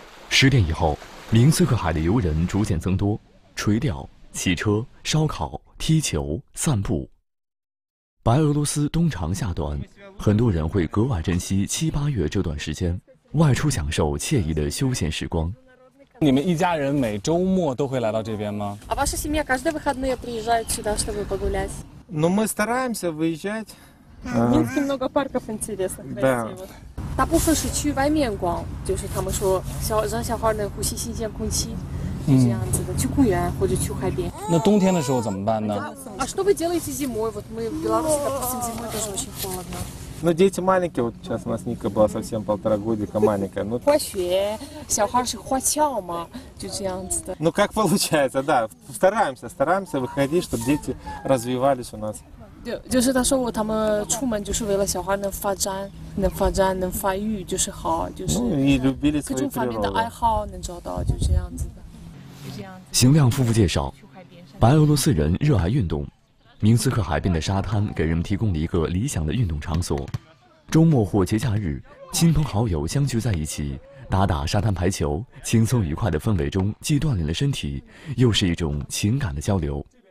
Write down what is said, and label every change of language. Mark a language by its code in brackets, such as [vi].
[zh] 10点以后，明斯克海的游人逐渐增多，垂钓、骑车、烧烤、踢球、散步。白俄罗斯冬长夏短，很多人会格外珍惜7、8月这段时间，外出享受惬意的休闲时光。你们一家人每周末都会来到这边吗？ [ru] А ваша семья каждый выходной приезжает сюда, чтобы погулять? Но мы стараемся выезжать. Есть немного парков интересных. Да. [zh] 大部分是去外面逛，就是他们说小让小孩能呼吸新鲜空气，这样子的，去公园或者去海边。那冬天的时候怎么办呢？ [ru] А что вы делаете зимой? Вот мы в Беларуси, допустим, зимой тоже очень холодно. Но дети маленькие, вот сейчас у нас Ника была совсем 1.5 годика маленькая. [zh] Ну, 滑雪, 小孩是滑翘嘛, 就这样子的. [ru] Ну, как получается, да, стараемся выходить, чтобы дети развивались у нас. [zh] 就是他说过他们出门就是为了小孩能发育就是好，就是 [ru] 你любили свою природу. [zh] 各种方面的爱好能找到，就这样子的。邢亮夫妇介绍，白俄罗斯人热爱运动。明斯克海边的沙滩给人们提供了一个理想的运动场所，周末或节假日，亲朋好友相聚在一起，打打沙滩排球，轻松愉快的氛围中，既锻炼了身体，又是一种情感的交流。